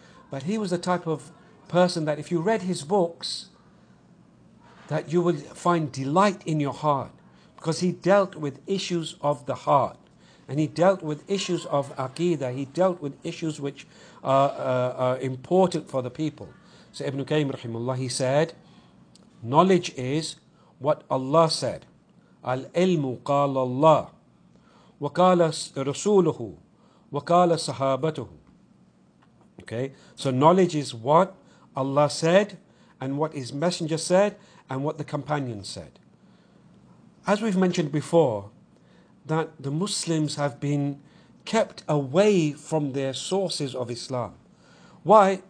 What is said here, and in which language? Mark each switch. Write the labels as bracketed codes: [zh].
[en] But he was the type of person that if you read his books, that you would find delight in your heart. Because he dealt with issues of the heart. And he dealt with issues of aqidah. He dealt with issues which are important for the people. So Ibn Qayyim, rahimullah, he said, knowledge is what Allah said, [ar] العلم قال الله وقال رسوله وقال صحابته. [en] Okay, so knowledge is what Allah said and what His Messenger said and what the companions said. As we've mentioned before, that the Muslims have been kept away from their sources of Islam. Why?